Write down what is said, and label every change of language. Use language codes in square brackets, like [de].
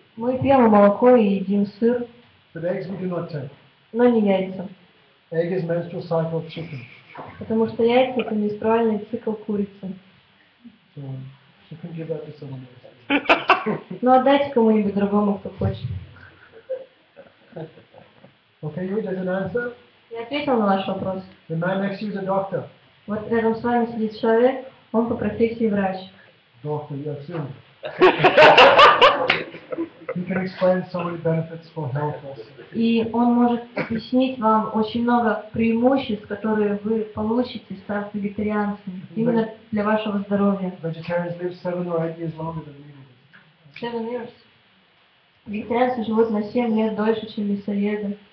[ru] Мы пьем молоко и едим сыр. [en] But eggs we do not take. [ru] Но не яйца. [en] Egg is menstrual cycle of chicken. [ru] Потому что яйца это менструальный цикл курицы. [en] So, you can give that to someone else. [ru] Ну отдайте кому-нибудь другому, кто хочет. [en] Okay, you did an answer? [ru] Я ответил на ваш вопрос. [en] The man next to you is a doctor. [ru] Вот рядом с вами сидит человек, он по профессии врач. Доктор, я сын. [en] He can explain so many benefits for health also. [ru] И он может объяснить вам очень много преимуществ, которые вы получите, став вегетарианцем, именно для вашего здоровья. [en] Vegetarians live 7 or 8 years longer than meat. 7 years. [ru] Вегетарианцы живут на 7 лет дольше, чем мясоеды.